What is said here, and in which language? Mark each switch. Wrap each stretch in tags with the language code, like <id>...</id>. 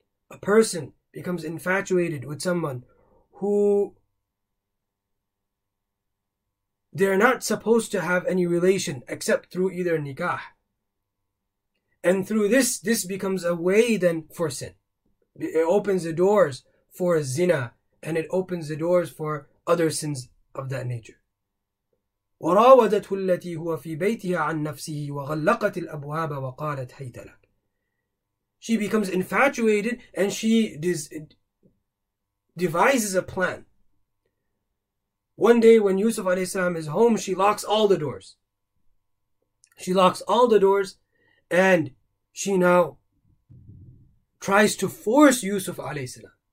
<en>A person becomes infatuated with someone who they're not supposed to have any relation except through either nikah. And through this becomes a way then for sin. It opens the doors for zina and it opens the doors for other sins of that nature.</en> <ar>وراودته التي هو في بيتها عن نفسه وغلقت الأبواب وقالت هيت لك.</ar> <en>She becomes infatuated and she devises a plan. One day when Yusuf alayhi salam is home, she locks all the doors. She locks all the doors and she now tries to force Yusuf alayhi salam.</en>